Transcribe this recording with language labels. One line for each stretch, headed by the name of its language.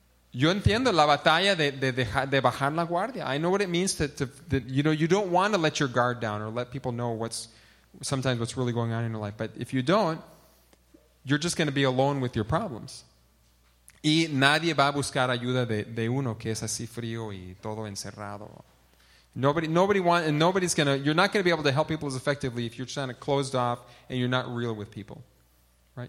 Spanish: Yo entiendo la batalla de bajar la guardia.
English: I know what it means to you know, you don't want to let your guard down or let people know what's really going on in your life. But if you don't, you're just going to be alone with your problems.
Spanish: Y nadie va a buscar ayuda de uno que es así frío y todo encerrado.
English: You're not going to be able to help people as effectively if you're kind of closed off and you're not real with people, right?